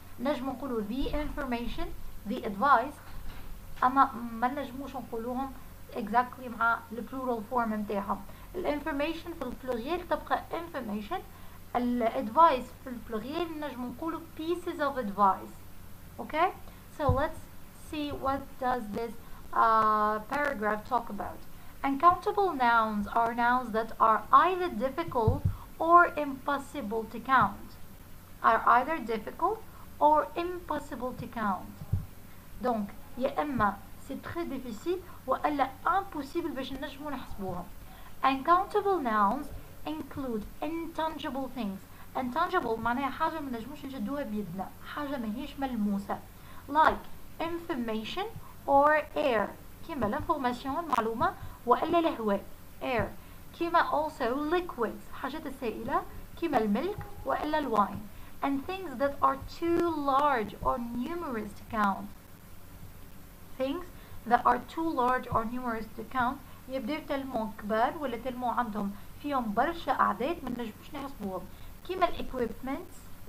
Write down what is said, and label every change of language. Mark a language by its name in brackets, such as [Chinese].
[Arabic] نجمو نقولو [English] the information, the advice. [Arabic] اما ما نجموش نقولوهم exactly مع [English] the plural form [Arabic] نتاعهم. الانفورميشن في البلوريال تبقى information, الادفايس في البلوريال نجم نقولو pieces of advice. [English] Okay, so let's see what does this paragraph talk about. Uncountable nouns are nouns that are either difficult or impossible to count. Are either difficult or impossible to count. [Arabic] Donc يا اما [French] c'est très difficile [Arabic] وألا impossible باش نجمو نحسبوها. [English] Uncountable nouns include intangible things. [Arabic] Intangible معناها حاجة ما نجموش نشدوها بيدنا, حاجة ماهيش ملموسة. [English] Like information or air. [Arabic] كيما l'information معلومة وألا الهواء air. كيما [English] also liquids [Arabic] حاجات السائلة كيما الملك وألا الواين. [English] And things that are too large or numerous to count. Things that are too large or numerous to count. [Arabic] يبدو تلمو كبار ولا تلمو عندهم فيهم برشة أعداد من نجمش نحسبوهم. كيما الـ equipments